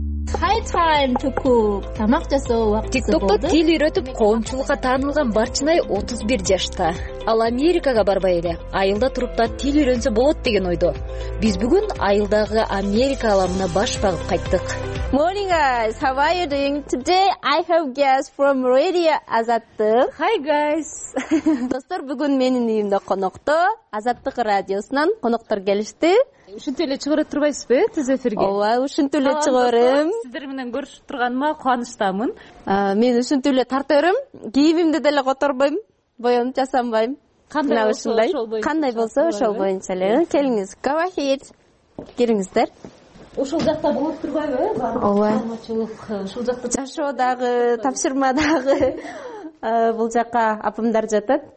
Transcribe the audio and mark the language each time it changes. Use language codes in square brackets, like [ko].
[ky] Тамак жасоо вакты болду. TikTokто тил үйрөтүп, коомчулукка таанылган Барчынай 31 жашта. Ал Америкага барбай эле, айылда туруп да тил үйрөнсө болот деген ойдо. Биз бүгүн айылдагы Америка аламына баш багып кайттык. [en] Morning guys, how are you doing? Today I have guests from Radio Azattık. Hi guys. [ky] Достор, бүгүн менин үйүмдө конокто, Азаттык радиосунан коноктор келишти. Ушинтип эле чыгарып турбайсызбы сиз эфирге? Ооба, ушинтип эле чыгарым. Сиздер менен көрүшүп турганыма кубанычтамын. Мен ушинтип эле тарта берем. Кийимимди деле которбойм, боёнуп жасанбайм. Кандай болсо ошол боюнча. Кандай болсо ошол боюнча эле. Келиңиз, кавахит. Кириңиздер. Ошол жакта болуп турбайбы? Ооба. Кармачылык ушул жакта жашоодагы, тапшырмадагы бул жакка апамдар жатат.